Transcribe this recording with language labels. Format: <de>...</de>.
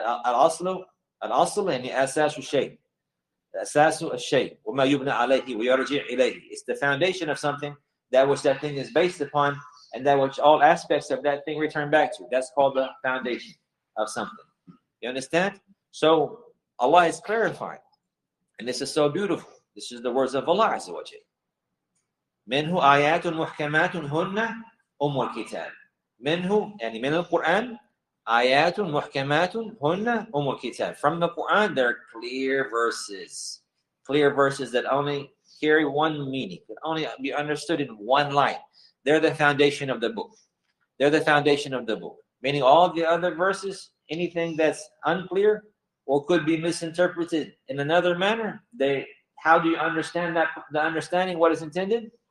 <en>Al-aslu and the asas wa shay. It's the foundation of something, that which that thing is based upon, and that which all aspects of that thing return back to. That's called the foundation of something. You understand? So Allah is clarifying, and this is so beautiful. This is the words of Allah Azza wa Jalla.</en> <ar>منه آيات محكمات هن أم الكتاب. منه يعني من القرآن آيات محكمات هن أم الكتاب.</ar> <en>From the Quran there are clear verses. Clear verses that only carry one meaning, that only be understood in one light. They're the foundation of the book. They're the foundation of the book. Meaning all the other verses, anything that's unclear or could be misinterpreted in another manner, they, how do you understand that, the understanding, what is intended?</en>